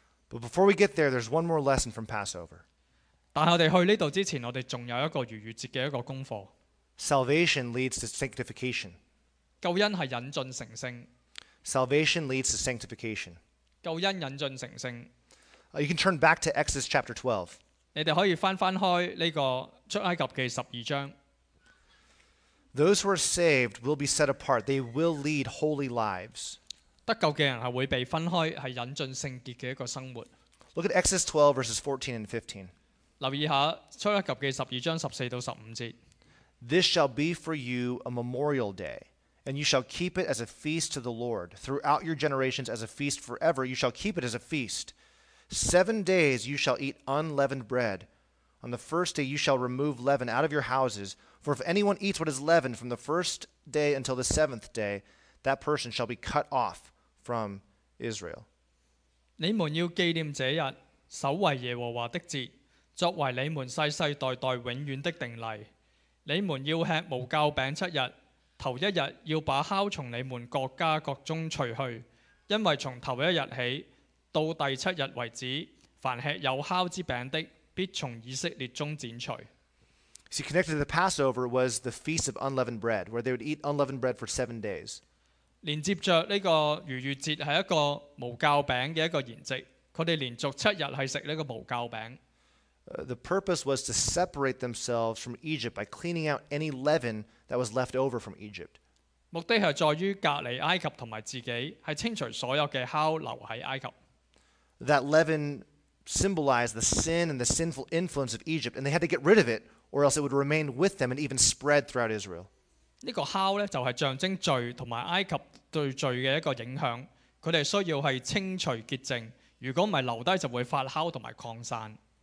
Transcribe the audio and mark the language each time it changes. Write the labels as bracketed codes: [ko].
[en] But before we get there, there's one more lesson from Passover. [zh] 但是我们去这里之前，我们还有一个逾越节的一个功课。 [en] Salvation leads to sanctification. [zh] 救恩是引进成圣。 [en] Salvation leads to sanctification. [zh] 救恩引进成圣。 [en] You can turn back to Exodus chapter 12. [zh] 你们可以翻开这个出埃及记十二章。 [en] Those who are saved will be set apart. They will lead holy lives. [zh] 得救的人是会被分开，是引进圣洁的一个生活。 [en] Look at Exodus 12 verses 14 and 15. [zh] 留意一下出埃及记十二章十四到十五节。 [en] This shall be for you a memorial day. And you shall keep it as a feast to the Lord throughout your generations as a feast forever. You shall keep it as a feast. 7 days you shall eat unleavened bread. On the first day you shall remove leaven out of your houses. For if anyone eats what is leavened from the first day until the seventh day, that person shall be cut off from Israel. [zh] 你们要纪念这日，守为耶和华的节。作为你们世世代代永远的定例。你们要吃无酵饼七日，头一日要把酵从你们各家各中除去，因为从头一日起到第七日为止，凡吃有酵之饼的，必从以色列中剪除。 [en] See, connected to the Passover was the Feast of Unleavened Bread, where they would eat unleavened bread for 7 days. [zh] 连接着这个逾越节是一个无酵饼的一个筵席，他们连续七日是吃这个无酵饼。 [en] The purpose was to separate themselves from Egypt by cleaning out any leaven that was left over from Egypt. [zh] 目的是在于隔离埃及和自己，是清除所有的酵留在埃及。 [en] That leaven symbolized the sin and the sinful influence of Egypt, and they had to get rid of it, or else it would remain with them and even spread throughout Israel. [zh] 这个酵呢，就是象征罪和埃及对罪的一个影响，他们需要是清除洁净，如果不是留下就会发酵和扩散。